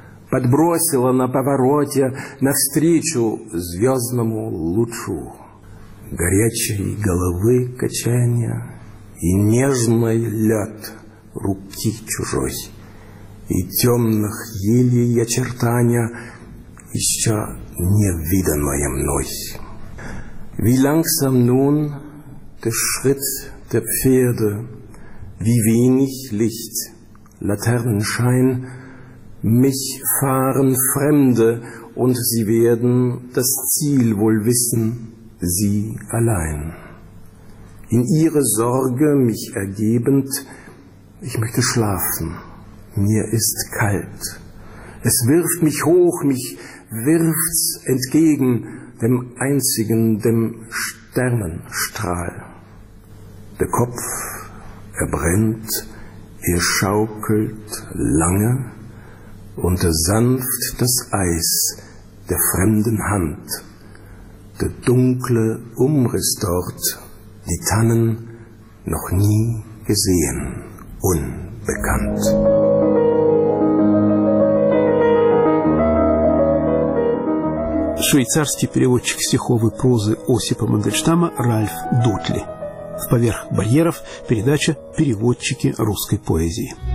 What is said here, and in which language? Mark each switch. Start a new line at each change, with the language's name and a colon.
Russian: Подбросила на повороте навстречу звездному лучу. Горячей головы качание и нежный лед руки чужой. И темных елей очертания еще не виданное мной.
German: Wie langsam nun der Schritt der Pferde, wie wenig Licht, Laternenschein, mich fahren Fremde, und sie werden das Ziel wohl wissen, sie allein. In ihre Sorge mich ergebend, ich möchte schlafen, mir ist kalt. Es wirft mich hoch, mich wirft's entgegen, dem einzigen, dem Sternenstrahl. Der Kopf, er brennt, er schaukelt lange, und sanft das Eis der fremden Hand, der dunkle Umriss dort, die Tannen noch nie gesehen, unbekannt.
Russian: Швейцарский переводчик стихов и прозы Осипа Мандельштама Ральф Дотли. «Поверх барьеров» – передача «Переводчики русской поэзии».